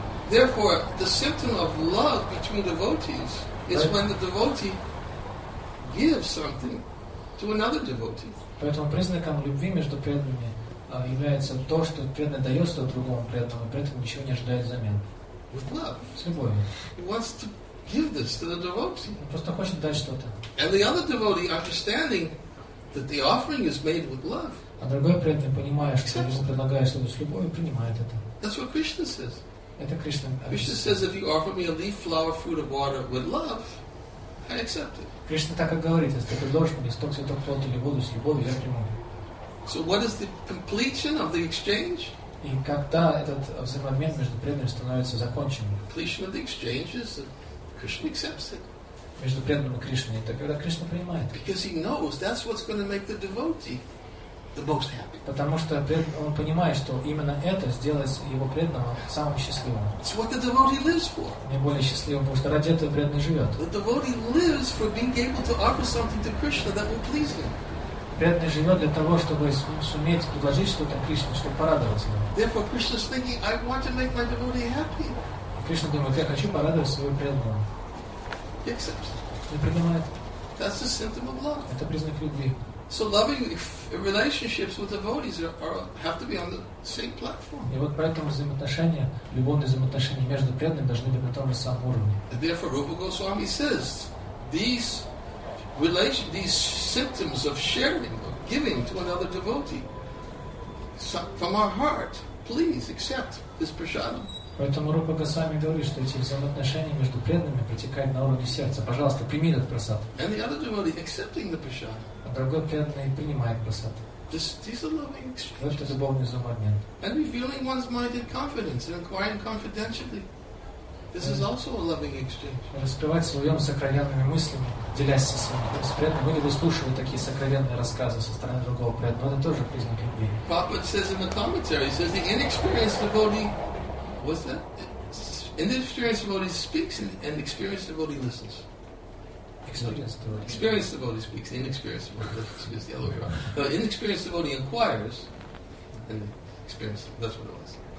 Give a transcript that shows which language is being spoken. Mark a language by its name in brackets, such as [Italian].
[English] Therefore, the symptom of love between devotees is when the devotee gives something to another devotee. [Russian] Поэтому признаком любви между преданными является то, что преданный дает что-то другому преданному, при этом ничего не ожидает взамен. [English] With love. [Russian] С любовью. [English] He wants to give this to the devotee. [Russian] Он просто хочет дать что-то. [English] And the other devotee, understanding that the offering is made with love. [Russian] А другой преданный, понимая, что ему предлагают что-то с любовью, принимает это. [English] That's what Krishna says. [Russian] Это Кришна. [English] Krishna says, if you offer me a leaf, flower, fruit, or water with love, I accept it. [Russian] Кришна так и говорит, если ты предложишь мне листок, цветок, плод или воду с любовью, я приму. [English] So what is the completion of the exchange? [Russian] И когда этот взаимообмен между преданными становится законченным? [English] Completion of the exchange is that Krishna accepts it. [Russian] Между преданным и Кришной, это когда Кришна принимает. [English] Because he knows that's what's going to make the devotee. [Russian] Потому что он понимает, что именно это сделает его преданного самым счастливым. [English] It's what the devotee lives for. [Russian] Наиболее счастливым, потому что ради этого преданный живет. [English] The devotee lives for being able to offer something to Krishna that will please him. [Russian] Преданный живет для того, чтобы суметь предложить что-то Кришне, чтобы порадовать его. [English] Therefore, Krishna's thinking, I want to make my devotee happy. [Russian] Кришна думает, я хочу порадовать своего преданного. [English] He accepts. [Russian] И принимает. [English] That's the symptom of love. [Russian] Это признак любви. [English] So loving relationships with devotees have to be on the same platform. [Russian] И вот поэтому взаимоотношения, любовные взаимоотношения между преданными должны быть на том же самом уровне. [English] And therefore, Rupa Goswami says these symptoms of sharing, of giving to another devotee, from our heart, please accept this prasadam. [Russian] Поэтому Рупа Госвами говорит, что эти взаимоотношения между преданными протекают на уровне сердца. Пожалуйста, прими этот прасад. [English] And the other devotee accepting the prasadam. [Russian] А другой преданный принимает прасад. Это любовный взаимообмен. [English] And revealing one's mind in confidence and inquiring confidentially. This is also a loving exchange. [Russian] Раскрывать своим сокровенными мыслями, делясь со своими преданными. Мы не выслушиваем такие сокровенные рассказы со стороны другого преданного. Это тоже признак любви. [English] Prabhupada says in the commentary, he says the inexperienced devotee, what's that? Inexperienced devotee speaks and experienced devotee listens. Experienced devotee speaks, inexperienced devotee is the other way around. The inexperienced devotee inquires, and experienced, that's what it was.